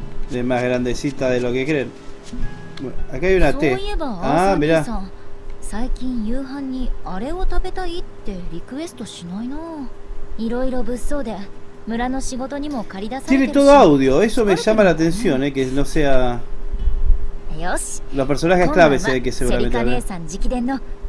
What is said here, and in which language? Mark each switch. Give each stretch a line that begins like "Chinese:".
Spanish: De más grandecita de lo que creen. Acá hay una T. Mira.
Japanese: 最近夕飯にあれを食べたいってリクエストしないな。色々物騒で村の仕事にも駆り出されてる。
Spanish: Tiene todo audio, eso me llama la atención, que no sea los personajes clave, sé que seguramente.